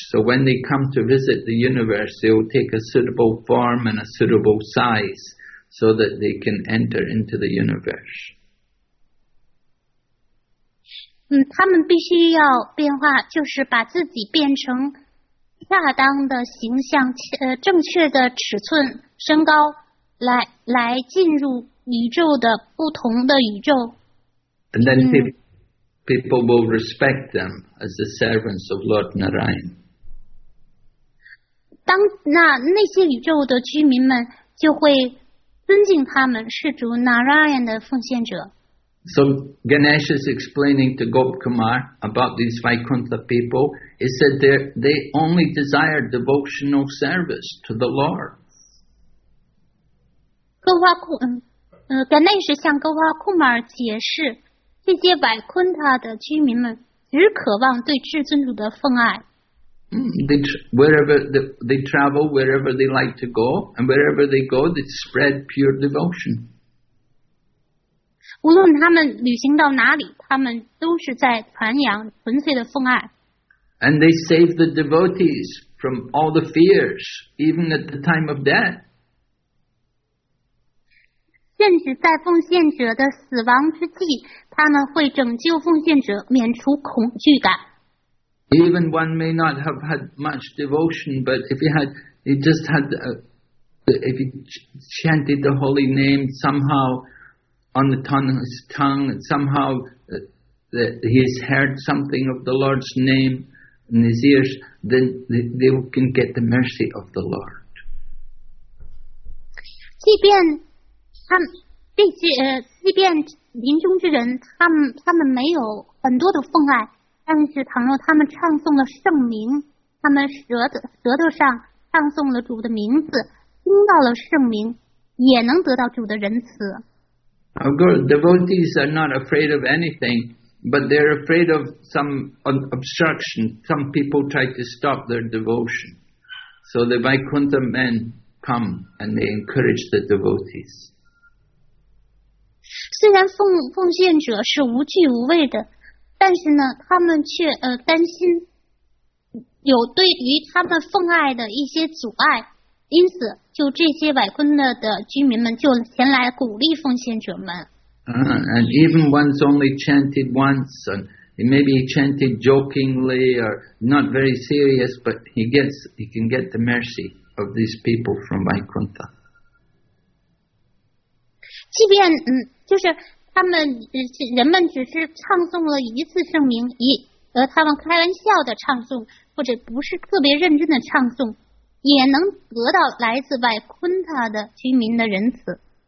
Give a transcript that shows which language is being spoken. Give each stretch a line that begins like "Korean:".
English: So when they come to visit the universe, they will take a suitable form and a suitable size so that they can enter into the universe.
Chinese: 他们必须要变化，就是把自己变成恰当的形象，正确的尺寸、身高，来进入宇宙的不同的宇宙。
English: And then people will respect them as the servants of Lord Narayan.
Chinese: 当那些宇宙的居民们就会尊敬他们，是主 Narayan 的奉献者。
English: So Ganesh is explaining to Gop Kumar about these Vaikuntha people. He said they only desire devotional service to the Lord.
Chinese: 格内什向格瓦库马尔解释，这些百昆塔的居民们只渴望对至尊主的奉爱。
English: They travel wherever they like to go, and wherever they go, they spread pure devotion.
Chinese: 无论他们旅行到哪里，他们都是在传扬纯粹的奉爱。
English: And they save the devotees from all the fears, even at the time of death.
Chinese: 甚至在奉献者的死亡之际，他们会拯救奉献者，免除恐惧感。
English: Even one may not have had much devotion, but if he had, he just had, if he chanted the holy name somehow on the tongue, his tongue, somehow he has heard something of the Lord's name in his ears, then they can get the mercy of the Lord.
Chinese: 即便他们即便临终之人，他们没有很多的奉爱。但是倘若他们唱诵了圣名，他们舌头上唱诵了主的名字，听到了圣名，也能得到主的仁慈。
English: Of course, devotees are not afraid of anything, but they're afraid of some obstruction. Some people try to stop their devotion. So the Vaikuntha men come and they encourage the devotees.
Chinese: 虽然奉献者是无惧无畏的，但是呢，他们却担心有对于他们奉爱的一些阻碍，因此就这些百昆勒的居民们就前来鼓励奉献者们。
English: And even once only chanted once, and maybe he chanted jokingly or not very serious, but he can get the mercy of these people from Vaikuntha.
Chinese: 即便就是。他们人们只是唱诵了一次圣名，他们开玩笑的唱诵，或者不是特别认真的唱诵，也能得到来自外昆塔的居民的仁慈。